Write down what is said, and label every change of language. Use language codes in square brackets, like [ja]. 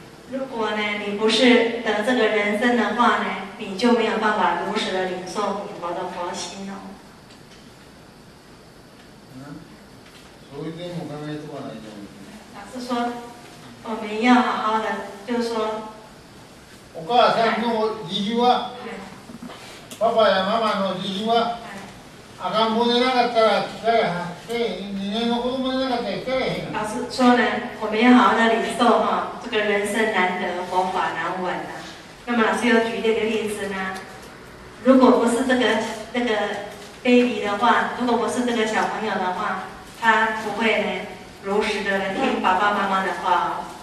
[zh] 如果呢，你不是得这个人生的话呢？你就没有办法如实的领受弥陀的佛心了。嗯，所以我刚才做了一种。老师说，我们要好好的，就是说。 [ja] お母さんの慈悲は、パパやママの慈悲は、赤ん坊でなかったら来れへん。で、人間の子供でなかったら来れへん。 [zh] 老师说呢，我们要好好的领受哈，这个人生难得，佛法难闻啊。那么老师又举了一个例子呢，如果不是这个 baby 的话，如果不是这个小朋友的话，他不会如实的听爸爸妈妈的话。